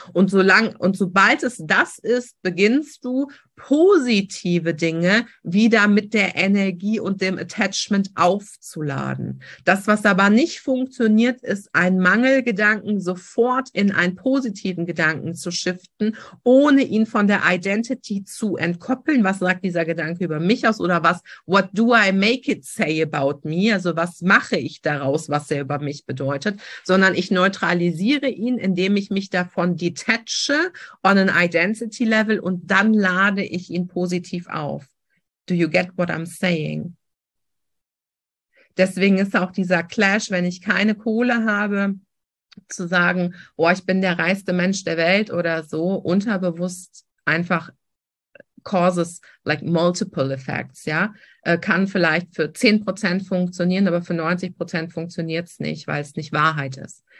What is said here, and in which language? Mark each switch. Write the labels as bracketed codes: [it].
[de] Und sobald es das ist, beginnst du, positive Dinge wieder mit der Energie und dem Attachment aufzuladen. Das, was aber nicht funktioniert, ist, einen Mangelgedanken sofort in einen positiven Gedanken zu shiften, ohne ihn von der Identity zu entkoppeln. Was sagt dieser Gedanke über mich aus? Oder was, [en] what do I make it say about me? [de] Also was mache ich daraus, was er über mich bedeutet? Sondern ich neutralisiere ihn, indem ich mich davon detache [en] on an identity level [de] und dann lade ich ihn positiv auf. [en] Do you get what I'm saying? [de] Deswegen ist auch dieser Clash, wenn ich keine Kohle habe, zu sagen, oh, ich bin der reichste Mensch der Welt oder so, unterbewusst einfach [en] causes like multiple effects, [de] ja, kann vielleicht für 10% funktionieren, aber für 90% funktioniert es nicht, weil es nicht Wahrheit ist.